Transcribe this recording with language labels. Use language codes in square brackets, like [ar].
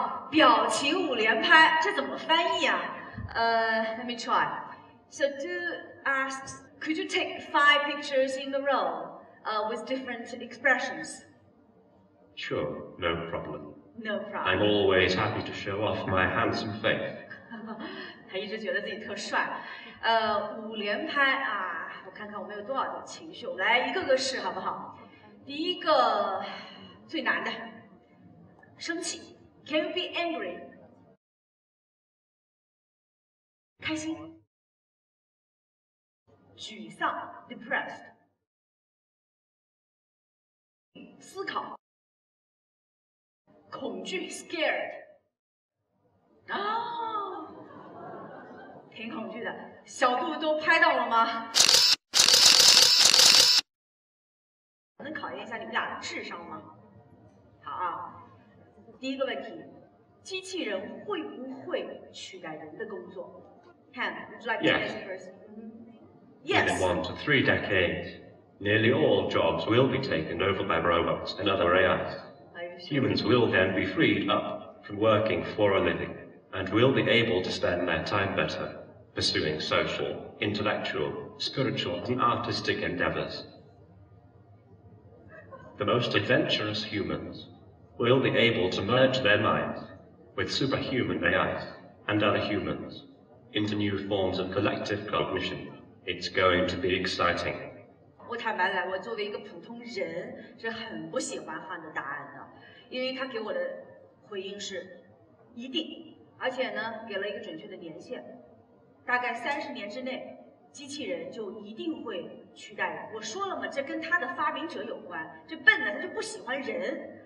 [zh] 表情五连拍，这怎么翻译啊？ [en] Let me try. So do ask, could you take five pictures in a row, with different expressions? Sure, no problem. No problem. I'm always happy to show off my handsome face. [zh] 他一直觉得自己特帅。五连拍啊，我看看我们有多少的情绪，我们来一个个试好不好？第一个最难的，生气。 [en] Can you be angry? [zh] 开心，沮丧 ，depressed， 思考，恐惧 ，scared， 啊，挺恐惧的。小度都拍到了吗？能考验一下你们俩的智商吗？好啊。第一个问题，机器人会不会取代人的工作 ？ [en] Han, would you like to answer first? Yes. Within 1 to 3 decades, nearly all jobs will be taken over by robots and other AIs. Humans will then be freed up from working for a living and will be able to spend their time better pursuing social, intellectual, spiritual, and artistic endeavors. The most adventurous humans. Will be able to merge their minds with superhuman AIs and other humans into new forms of collective cognition. It's going to be exciting. [zh] 我坦白来，我作为一个普通人，是很不喜欢汉的答案的，因为他给我的回应是一定，而且呢，给了一个准确的年限，大概30年之内，机器人就一定会取代人。我说了嘛，这跟他的发明者有关，这笨的他就不喜欢人。